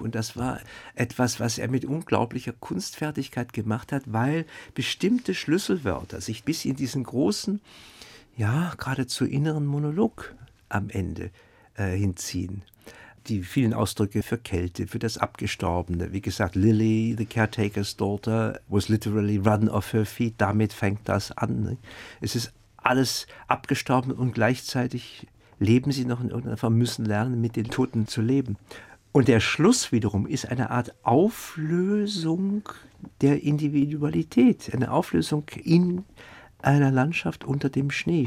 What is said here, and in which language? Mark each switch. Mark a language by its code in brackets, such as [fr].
[de] Und das war etwas, was er mit unglaublicher Kunstfertigkeit gemacht hat, weil bestimmte Schlüsselwörter sich bis in diesen großen, ja, geradezu inneren Monolog am Ende hinziehen. Die vielen Ausdrücke für Kälte, für das Abgestorbene. Wie gesagt, [en] Lily, the caretaker's daughter, was literally run off her feet. [de] Damit fängt das an. Es ist alles abgestorben und gleichzeitig leben sie noch in irgendeiner Form, müssen lernen, mit den Toten zu leben. Und der Schluss wiederum ist eine Art Auflösung der Individualität, eine Auflösung in einer Landschaft unter dem Schnee.